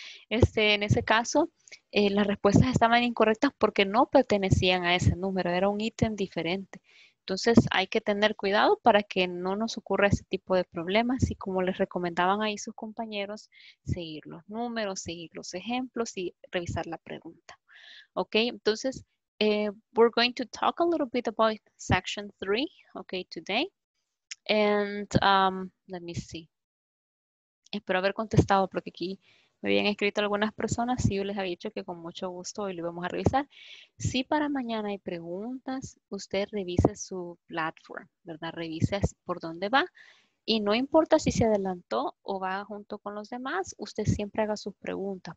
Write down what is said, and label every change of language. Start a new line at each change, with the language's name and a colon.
Spanish: En ese caso, las respuestas estaban incorrectas porque no pertenecían a ese número. Era un ítem diferente. Entonces hay que tener cuidado para que no nos ocurra ese tipo de problemas y como les recomendaban ahí sus compañeros, seguir los números, seguir los ejemplos y revisar la pregunta. Ok, entonces
English: we're going to talk a little bit about section 3, okay, today. And let me see.
Spanish: Espero haber contestado porque aquí me habían escrito algunas personas y yo les había dicho que con mucho gusto hoy lo vamos a revisar. Si para mañana hay preguntas, usted revise su platform, ¿verdad? Revise por dónde va. Y no importa si se adelantó o va junto con los demás, usted siempre haga sus preguntas.